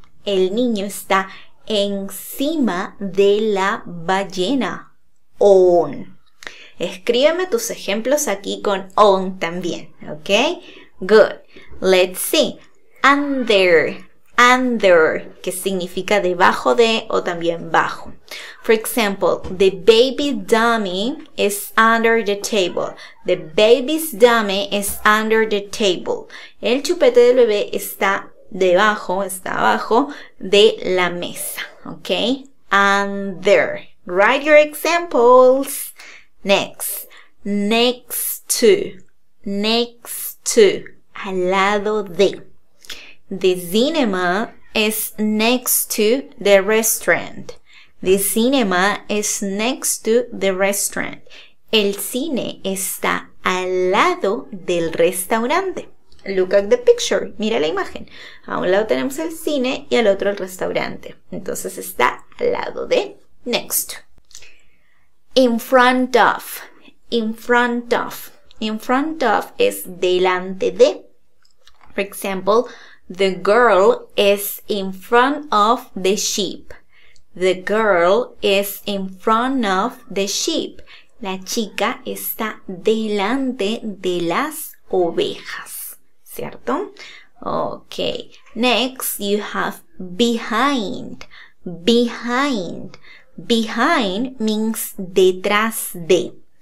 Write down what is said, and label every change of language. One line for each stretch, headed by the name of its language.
Spanish: El niño está encima de la ballena. on. Escríbeme tus ejemplos aquí con on también, ¿ok?
English: Good. Let's see.
Spanish: Under. Under, que significa debajo de o también bajo.
English: For example, the baby dummy is under the table. The baby's dummy is under the table.
Spanish: El chupete del bebé está debajo, está abajo de la mesa.
English: Ok. Under. Write your examples. Next. Next to. Next to.
Spanish: Al lado de.
English: The cinema is next to the restaurant. The cinema is next to the restaurant.
Spanish: El cine está al lado del restaurante.
English: Look at the picture.
Spanish: Mira la imagen. A un lado tenemos el cine y al otro el restaurante. Entonces está al lado de next to.
English: In front of. In front of. In front of
Spanish: es delante de.
English: For example, the girl is in front of the sheep. The girl is in front of the sheep.
Spanish: La chica está delante de las ovejas, ¿cierto?
English: Okay. Next, you have behind. Behind. Behind means
Spanish: detrás de.